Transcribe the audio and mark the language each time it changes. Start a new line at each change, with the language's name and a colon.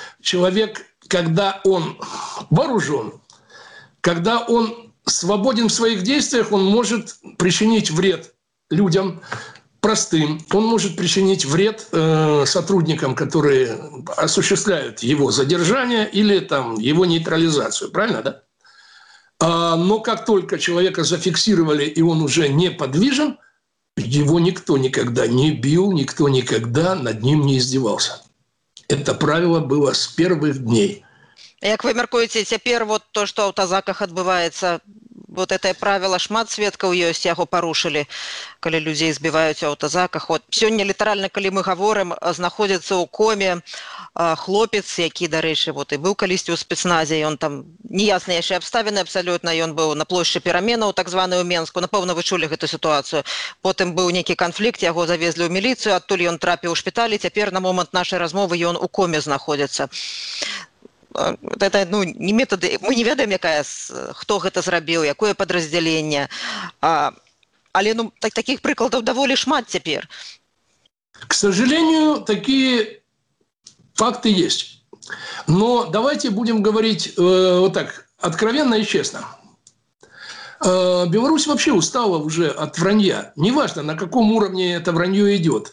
Russian: Человек, когда он вооружен, когда он свободен в своих действиях, он может причинить вред людям, простым, он может причинить вред сотрудникам, которые осуществляют его задержание или там, его нейтрализацию. Правильно, да? Но как только человека зафиксировали, и он уже неподвижен, его никто никогда не бил, никто никогда над ним не издевался. Это правило было с первых дней.
Belarusian: Як вы мяркуеце, цяпер вот то, што ў тазаках адбываецца,
Russian: вот это
Belarusian: правіла шмат сведкаў ёсць, яго парушылі, калі людзей збіваюць ў тазаках. Вот сёння літаральна, калі мы гаворым, знаходзіцца ў коме хлопец, які, дарэчы, вот і быў калісьці ў спецназе, ён там неясныя абставіны абсалютна, ён быў на плошчы пераменаў, так званы ў Менску, напэўна, вы чулі гэту сітуацыю. Потым быў некі канфлікт, яго завезлі ў міліцыю, адтуль ён трапіў у шпіталі, цяпер на момант нашай размовы ён у коме знаходзіцца.
Russian: Это, ну, не методы,
Belarusian: мы не ведаем, якая, хто гэта зрабіў, якое падраздзяленне. Але ну, так, таких прыкладаў даволі шмат цяпер.
Russian: К сожалению, такие факты есть. Но давайте будем говорить вот так, откровенно и честно. Беларусь вообще устала уже от вранья. Неважно, на каком уровне это вранье идет.